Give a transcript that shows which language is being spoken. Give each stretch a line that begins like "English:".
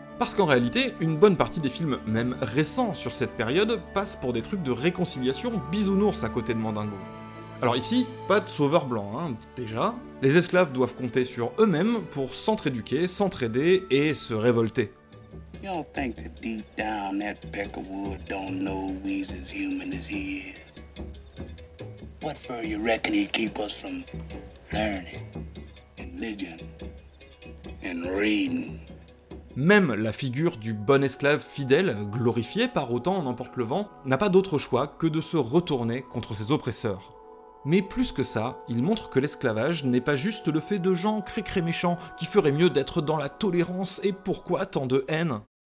French: Parce qu'en réalité, une bonne partie des films, même récents sur cette période, passent pour des trucs de réconciliation bisounours à côté de Mandingo. Alors ici, pas de sauveur blanc, hein, déjà. Les esclaves doivent compter sur eux-mêmes pour s'entr'éduquer, s'entraider et se révolter.
English: You don't think that deep down that Peckerwood don't know we's as human as he is. What for you reckon he'd keep us from learning, religion, and reading?
French: Même la figure du bon esclave fidèle, glorifié par autant en emporte le vent, n'a pas d'autre choix que de se retourner contre ses oppresseurs. Mais plus que ça, il montre que l'esclavage n'est pas juste le fait de gens cri-cré méchants qui feraient mieux d'être dans la tolérance et pourquoi tant de haine.